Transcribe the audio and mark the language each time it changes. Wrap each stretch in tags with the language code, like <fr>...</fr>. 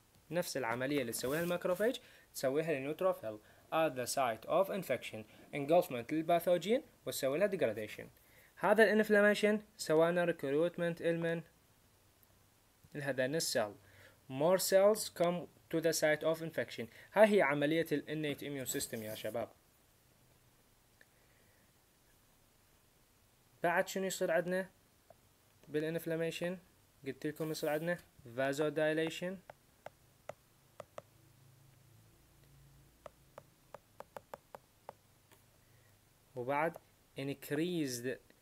<ar>نفس العملية اللي تسويها الماكروفاج تسويها النيوتروفيل</ar> <en>at the site of infection</en> <ar>engulfment للباثوجين وتسوي لها degradation. هذا الانفلاميشن سوى لنا recruitment المن لهذا السيل.</ar> <en>more cells come to the site of infection.</en> <ar>ها هي عملية ال innate immune system يا شباب. بعد شنو يصير عندنا بالانفلاميشن؟ قلت لكم يصير عندنا فازو دايليشن، وبعد انكريزد.</ar>